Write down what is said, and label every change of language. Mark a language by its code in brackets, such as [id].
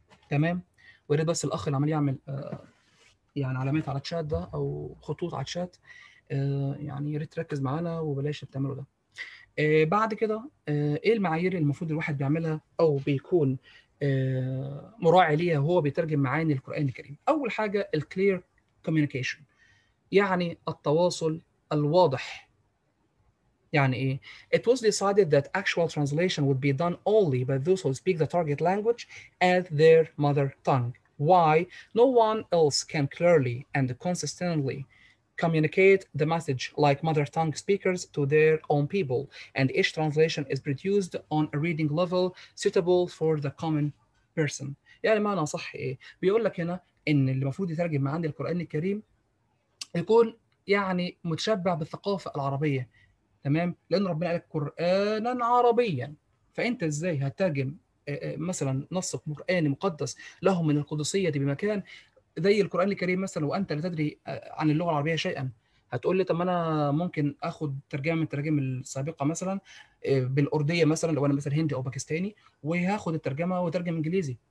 [ar] تمام، ويريد بس الأخ اللي عمال يعمل يعني علامات على الشات ده أو خطوط على الشات، يعني يا ريت تركز معانا وبلاش بتعمله ده. بعد كده ايه المعايير اللي المفروض الواحد بيعملها او بيكون مراعي ليها وهو بيترجم معاني القرآن الكريم؟ اول حاجة الكلير كوميونيكيشن، يعني التواصل الواضح. يعني ايه؟ [en] It was decided that actual translation would be done only by those who speak the target language as their mother tongue. Why? No one else can clearly and consistently communicate the message like mother tongue speakers to their own people, and each translation is produced on a reading level suitable for the common person. [ar] يعني معنى صح ايه؟ بيقول لك هنا ان اللي المفروض يترجم معاني القرآن الكريم يكون يعني متشبع بالثقافة العربية، تمام؟ لأن ربنا قال قرآنا عربيا، فأنت ازاي هترجم مثلا نص قرآني مقدس له من القدسية دي بمكان زي القرآن الكريم مثلا وأنت لا تدري عن اللغة العربية شيئا؟ هتقول لي طب ما أنا ممكن آخد ترجمة من الترجمة السابقة مثلا بالأردية مثلا، لو أنا مثلا هندي أو باكستاني، وهاخد الترجمة وترجم إنجليزي.